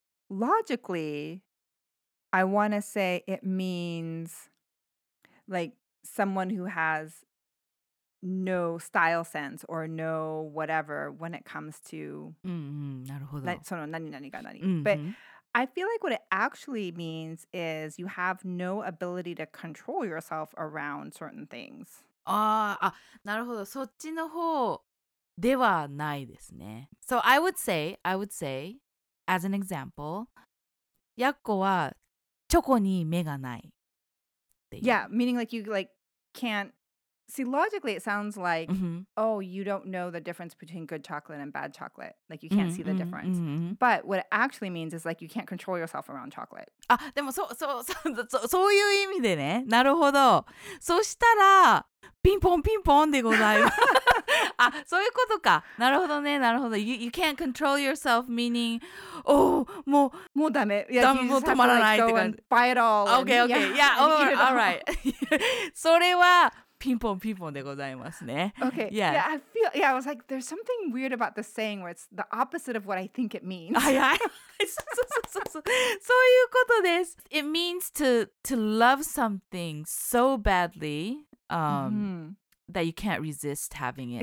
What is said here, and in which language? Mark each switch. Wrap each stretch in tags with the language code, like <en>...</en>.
<en>Logically, I want to say it means like someone who has no style sense or no whatever when it comes to But I feel like what it actually means is you have no ability to control yourself around certain things.</en> <ja>なるほど。そっちの方ではないですね。</ja> <en>So I would say, as an example,</en> <ja>ヤッコはチョコに目がない。</ja> <en>Yeah, meaning like you like can't See, logically, it sounds like, oh, you don't know the difference between good chocolate and bad chocolate. Like, you can't see the difference. But what it actually means is, like, you can't control yourself around chocolate.</en> <ja>Ah, でもそういう意味でね。なるほど。そしたら、ピンポンピンポンでございます。あ、そういうことか。なるほどね、なるほど。</ja> <en>You can't control yourself, meaning, oh,</en> <ja>もうダメ。 Yeah, ダメ、もう止まらないって感</ja> <en>じ。Buy it all. Okay, okay. Yeah, all right.</en> <ja>それは、ピンポンピンポンでございますね。</ja> <en>Okay. Yeah. Yeah, I feel, yeah, I was like, there's something weird about the saying where it's the opposite of what I think it means.</en> <ja>はいはい。そういうことです。</ja> <en>It means to love something so badly, that you can't resist having it.</en>